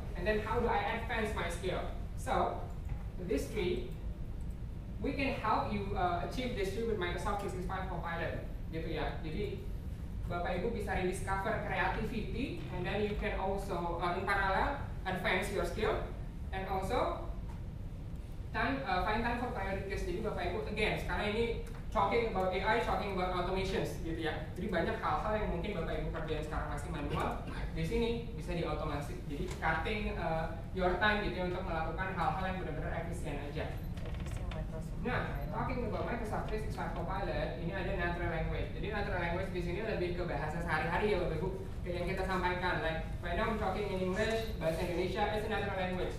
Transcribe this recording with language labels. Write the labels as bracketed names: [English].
[English] And then how do I advance my skill? So, this tree we can help you achieve this tree with Microsoft 365 Copilot gitu ya. [Indonesian] Jadi Bapak Ibu bisa [English] rediscover creativity and then you can also in parallel advance your skill and also time find time for priorities. Jadi Bapak Ibu again, [Indonesian] sekarang ini [English] talking about AI, talking about automations gitu ya. [Indonesian] Jadi banyak hal-hal yang mungkin Bapak Ibu kerjain sekarang masih manual, di sini bisa diotomasi. Jadi [English] cutting your time [Indonesian] gitu ya, untuk melakukan hal-hal yang benar-benar efisien aja. [English] Nah, talking about Microsoft 365 Copilot, [Indonesian] ini ada [English] natural language. [Indonesian] Jadi natural language di sini lebih ke bahasa sehari-hari ya Bapak Ibu, yang kita sampaikan. [English] Like, right now I'm talking in English, bahasa Indonesia, it's a natural language.